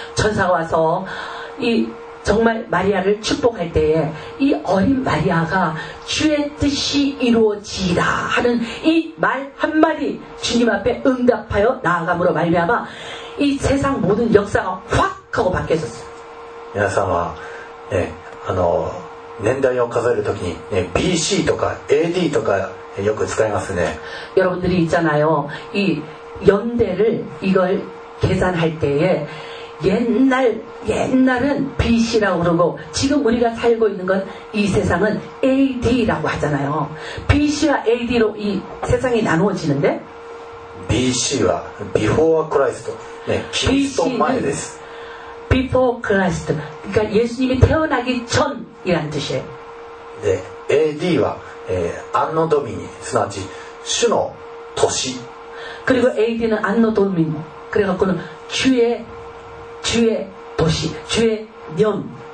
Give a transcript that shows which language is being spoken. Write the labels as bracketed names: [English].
[Korean] 천사가와서이정말마리아를축복할때에이어린마리아가주의뜻이이루어지라하는이말한마디주님앞에응답하여나아감으로말미암아이세상모든역사가확하고바뀌었어요 [Japanese] 皆さんは、ね、あの年代を数える時に、ね、BC とか AD とかよく使いますね。 [Korean] 여러분들이있잖아요이연대를이걸계산할때에옛날은 BC 라고그러고지금우리가살고있는건이세상은 AD 라고하잖아요 BC 와 AD 로이세상이나누어지는데 [Japanese] BC 와 Before Christ 네キリスト前です [Korean] Before Christ 그러니까예수님이태어나기전이란뜻이에요 네 AD 와안노도미니 [Japanese] すなわち主の都市 [Korean] 그리고 AD 는안노도미니그래갖고는주의주의도시주의년